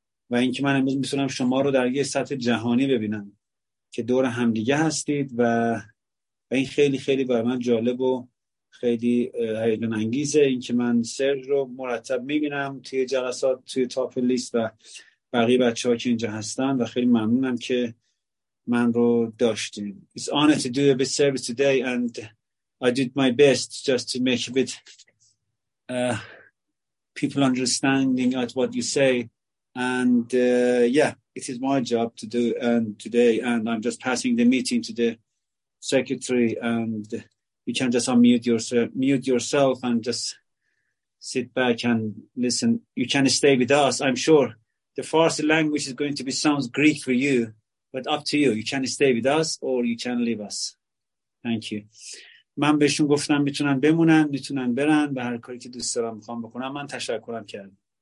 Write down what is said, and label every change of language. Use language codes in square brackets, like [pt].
[fa] و اینکه من امروز میتونم شما رو در یه سطح جهانی ببینم که دور همدیگه هستید و این خیلی خیلی برای من جالب و خیلی هیجان انگیزه. اینکه من سرج رو مرتب میبینم توی جلسات، توی تاپ لیست و بقیه بچه ها که اینجا هستن، و خیلی ممنونم که من رو داشتیم. [en] It's an honor to do a bit service today, and I did my best just to make a bit people understanding at what you say, and yeah, it is my job to do and today, and I'm just passing the meeting to the secretary, and you can just unmute yourself and just sit back and listen. You can stay with us. I'm sure the Farsi language is going to be sounds Greek for you. But up to you. You can stay with us or you can leave us. Thank you. [fa] من بهشون گفتم میتونن بمونن، میتونن برن، به هر کاری که دوست دارم میخوام بکنم. من تشکرم کردم.